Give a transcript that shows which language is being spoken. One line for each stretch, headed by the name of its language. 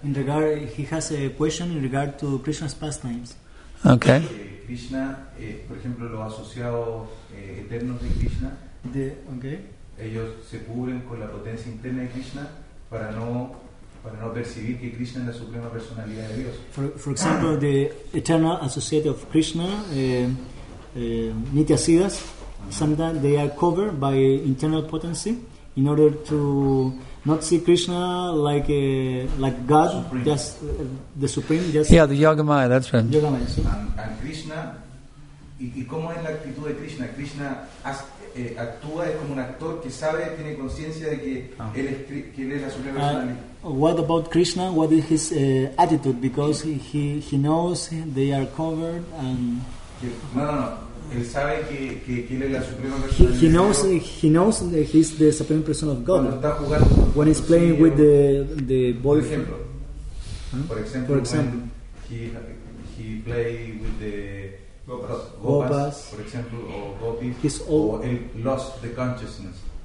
English: In regard, he has a question in regard to Krishna's pastimes. Okay.
Spanish: Krishna, por ejemplo, los asociados eternos de Krishna. Ellos se cubren con la potencia interna de Krishna para no percibir que Krishna es la suprema personalidad de Dios.
English: For example, the eternal associate of Krishna, Nitya Siddhas, sometimes they are covered by internal potency in order to not see Krishna like God, supreme. Just the supreme. Just yeah, the Yogamaya, that's right. Yogamaya. So.
Spanish: And Krishna, y cómo es la actitud de Krishna? Krishna actúa es como un actor que sabe, tiene conciencia de que él es la suprema personalidad.
English: What about Krishna? What is his attitude? Because he knows they are covered and
Spanish: no. Él sabe que él es la suprema persona.
English: He knows that he's the supreme person of God.
Spanish: Cuando está jugando
English: when he's playing
Spanish: con
English: with the boyfriend.
Spanish: Por ejemplo.
English: For example. He play with the Gopas, for example, or Gopis, or lost the consciousness.